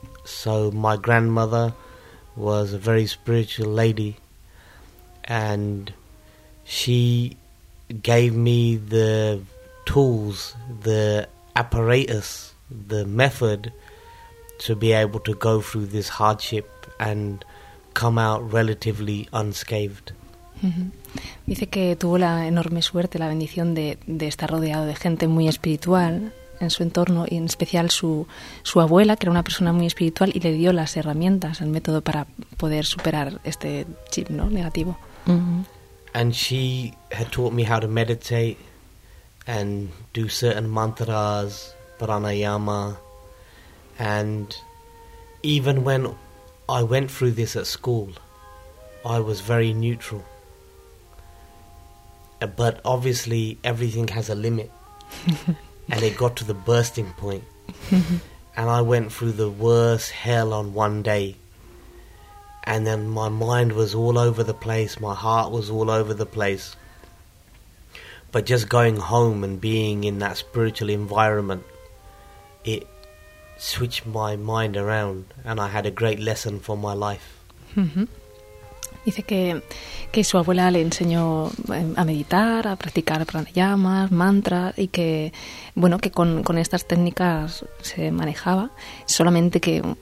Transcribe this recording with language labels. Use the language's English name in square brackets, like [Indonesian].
[English] So my grandmother was a very spiritual lady, and she gave me the tools, the apparatus, the method to be able to go through this hardship and come out relatively unscathed. [Spanish] Dice que tuvo la enorme suerte, la bendición de estar rodeado de gente muy espiritual en su entorno, y en especial su abuela, que era una persona muy espiritual, y le dio las herramientas, el método para poder superar este chip, ¿no?, negativo. [English] And she had taught me how to meditate and do certain mantras, pranayama, and even when I went through this at school, I was very neutral. But obviously everything has a limit, and it got to the bursting point, and I went through the worst hell on one day, and then my mind was all over the place, my heart was all over the place. But just going home and being in that spiritual environment, it switched my mind around, and I had a great lesson for my life. [Spanish] Dice que su abuela le enseñó a meditar, a practicar pranayamas, mantras, y que, bueno, que con estas técnicas se manejaba, solamente que